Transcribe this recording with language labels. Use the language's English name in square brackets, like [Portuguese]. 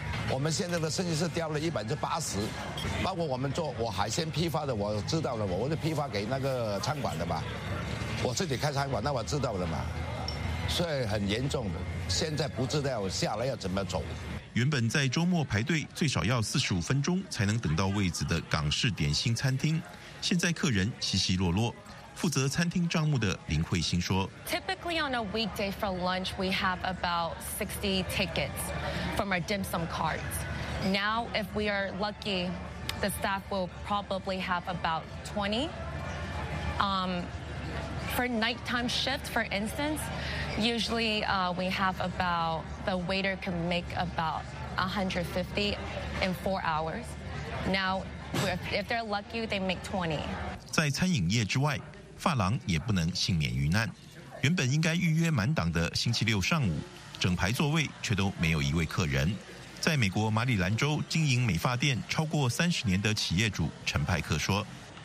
[Chinese] 我们现在的生意是掉了80%，包括我们做我海鲜批发的，我知道了，我是批发给那个餐馆的吧，我自己开餐馆，那我知道了嘛，所以很严重的，现在不知道下来要怎么走。原本在周末排队最少要45分钟才能等到位子的港式点心餐厅，现在客人稀稀落落。负责餐厅账目的林慧欣说 [English] ：“Typically on a weekday for lunch, we have about 60 tickets from our dim sum carts. Now, if we are lucky, the staff will probably have about 20. For nighttime shifts, for instance, usually we have about the waiter can make about 150 in 4 hours. Now, if they're lucky, they make 20. [Chinese] 在餐饮业之外。” 发廊也不能幸免于难，原本应该预约满档的星期六上午，整排座位却都没有一位客人。在美国马里兰州经营美发店超过30年的企业主陈派克说：“